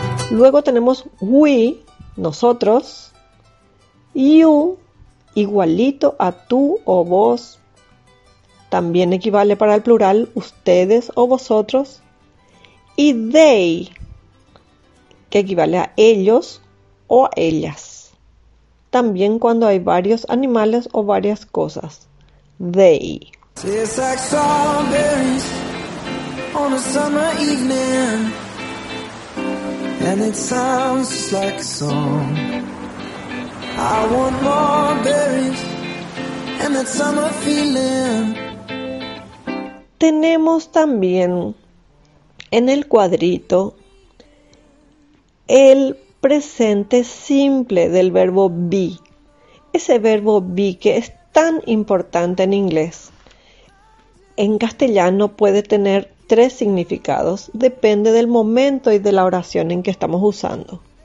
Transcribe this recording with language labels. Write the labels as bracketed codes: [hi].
[es] Luego tenemos we, nosotros, you, igualito a tú o vos, también equivale para el plural ustedes o vosotros, y they, que equivale a ellos o ellas. También cuando hay varios animales o varias cosas. [en] They. It's like strawberries on a summer evening, and it sounds just like a song. I want more berries and that summer feeling. [es] Tenemos también en el cuadrito el presente simple del verbo be. Ese verbo be que es tan importante en inglés. En castellano puede tener tres significados, depende del momento y de la oración en que estamos usando.